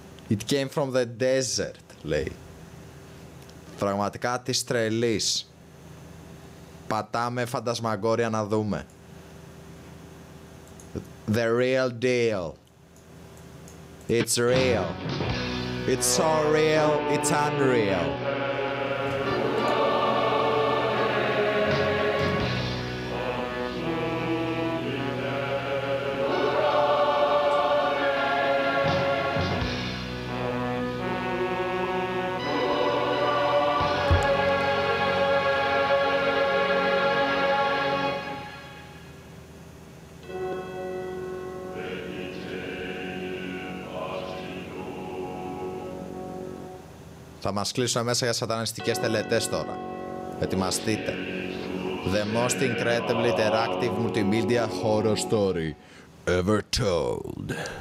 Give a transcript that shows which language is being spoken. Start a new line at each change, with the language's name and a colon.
English: It came from the desert,
Greek: λέει. Πραγματικά της τρελής. Πατάμε φαντασμαγόρια να δούμε.
English: The real deal. It's real. It's so real, it's unreal.
Greek: Θα μας κλείσουν μέσα για σατανιστικές τελετές τώρα. Ετοιμαστείτε.
English: The most incredibly interactive multimedia horror story ever told.